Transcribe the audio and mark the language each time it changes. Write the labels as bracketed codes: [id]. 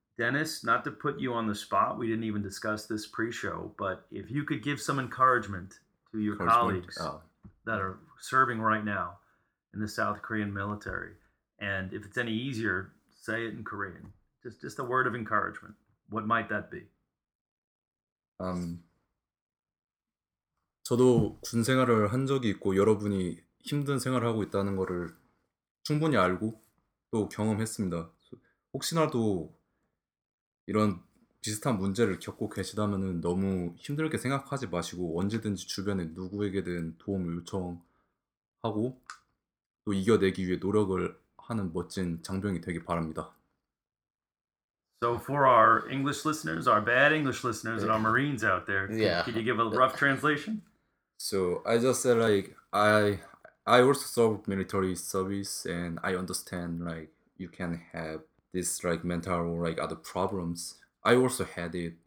[en] Dennis, not to put you on the spot, we didn't even discuss this pre-show, but if you could give some encouragement to your colleagues that are serving right now in the South Korean military, and if it's any easier, say it in Korean, just a word of encouragement. What might that be? [ko] 저도 군 생활을 한 적이 있고 여러분이 힘든 생활을 하고 있다는 거를 충분히 알고 또 경험했습니다. 혹시라도 이런 비슷한 문제를 겪고 계시다면은 너무 힘들게 생각하지 마시고 언제든지 주변에 누구에게든 도움을 요청하고 또 이겨내기 위해 노력을 하는 멋진 장병이 되길 바랍니다. [en] So for our English listeners, our bad English listeners, and our Marines out there, can you give a rough translation? So I just said like I also served military service, and I understand like you can have this like mental or like other problems. I also had it.